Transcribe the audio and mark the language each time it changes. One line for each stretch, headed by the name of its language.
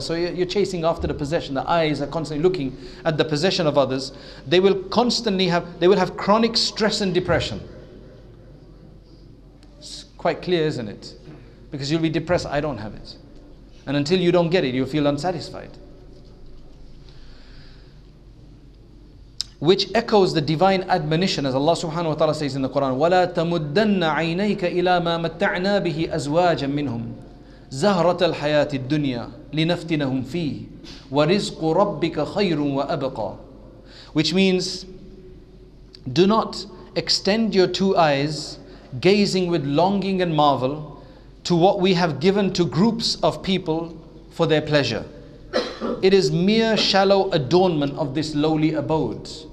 English: So you're chasing after the possession. The eyes are constantly looking at the possession of others. They will constantly have, they will have chronic stress and depression. It's quite clear, isn't it? Because you'll be depressed, I don't have it. And until you don't get it, you'll feel unsatisfied. Which echoes the divine admonition, as Allah subhanahu wa ta'ala says in the Quran,
Arabic: وَلَا تَمُدَّنَّ عَيْنَيْكَ إِلَى مَا مَتَّعْنَا بِهِ أَزْوَاجًا مِّنْهُمْ زَهْرَةَ الْحَيَاةِ الدُّنْيَا لِنَفْتِنَهُمْ فِيهِ وَرِزْقُ رَبِّكَ خَيْرٌ وَأَبْقَى.
English: Which means, do not extend your two eyes, gazing with longing and marvel, to what we have given to groups of people for their pleasure. It is mere shallow adornment of this lowly abode.